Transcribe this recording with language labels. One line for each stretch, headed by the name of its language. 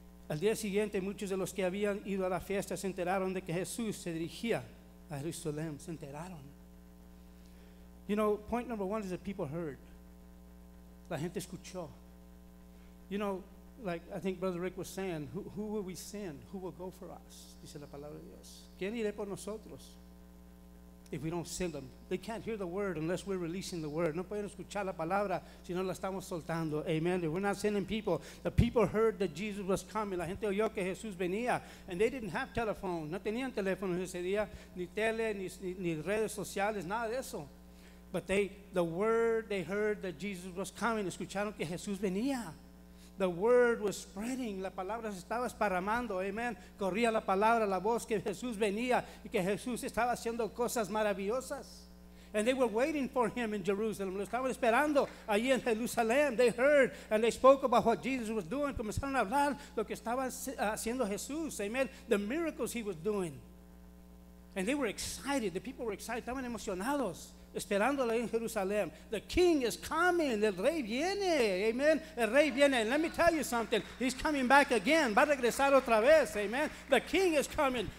Spanish: Al día siguiente, muchos de los que habían ido a la fiesta se enteraron de que Jesús se dirigía a Jerusalén. Se enteraron.
English: You know, point number one is that people heard.
Spanish: La gente escuchó.
English: You know, like I think Brother Rick was saying, who will we send? Who will go for us?
Spanish: Dice la palabra de Dios. ¿Quién irá por nosotros?
English: If we don't send them. They can't hear the word unless we're releasing the word.
Spanish: No pueden escuchar la palabra si no la estamos soltando.
English: Amen. If we're not sending people. The people heard that Jesus was coming.
Spanish: La gente oyó que Jesús venía.
English: And they didn't have telephone.
Spanish: No tenían teléfono ese día. Ni tele, ni redes sociales, nada de eso.
English: But they heard that Jesus was coming.
Spanish: Escucharon que Jesús venía.
English: The word was spreading.
Spanish: La palabra se estaba esparramando. Amen. Corría la palabra, la voz que Jesús venía y que Jesús estaba haciendo cosas maravillosas.
English: And they were waiting for him in Jerusalem.
Spanish: Lo estaban esperando allí en Jerusalén.
English: They heard and they spoke about what Jesus was doing.
Spanish: Comenzaron a hablar lo que estaba haciendo Jesús.
English: Amen. The miracles he was doing. And they were excited. The people were excited.
Spanish: Estaban emocionados. Esperándole en Jerusalén.
English: The king is coming.
Spanish: El rey viene. Amen. El rey viene.
English: And let me tell you something. He's coming back again.
Spanish: Va a regresar otra vez.
English: Amen. The king is coming.